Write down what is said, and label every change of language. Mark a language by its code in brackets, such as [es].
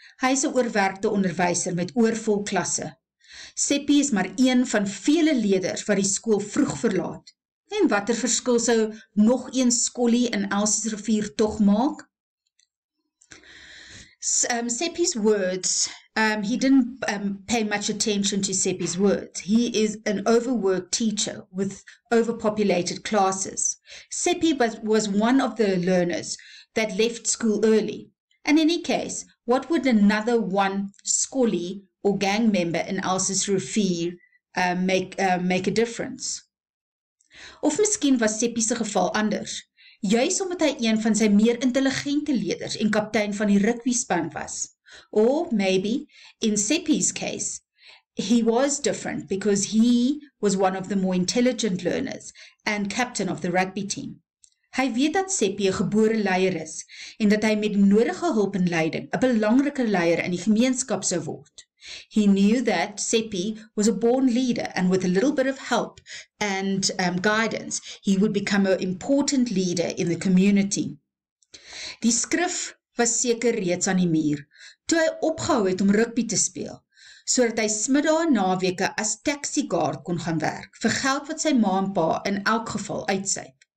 [af] Hy is 'n oorwerkte onderwyser met oorvol klasse. Seppi is maar een van vele leerders wat die skool vroeg verlaat. En watter verskil sou nog een skollie in Elsie's rivier tog maak? [en] Seppi's words, he didn't pay much attention to Seppi's words. He is an overworked teacher with overpopulated classes. Seppi was one of the learners that left school early. And in any case, what would another one skollie or gang member in Elsie's rivier make a difference? [af] Of miskien was Seppi se geval anders, juis omdat hy een van sy meer intelligente leerders en kaptein van die rugbyspan was. [en] Or maybe, in Seppi's case, he was different because he was one of the more intelligent learners and captain of the rugby team. [af] Hy weet dat Seppi 'n gebore leier is en dat hy met die nodige hulp en leiding 'n belangrike leier in die gemeenskap sou word. [en] He knew that Seppi was a born leader, and with a little bit of help and guidance, he would become an important leader in the community. [af] Die skrif was seker reeds aan die muur, toe hy opgehou het om rugby te speel, so dat hy smiddag en naweke as taxi guard kon gaan werk, vir geld wat sy ma en pa in elk geval uitsuip.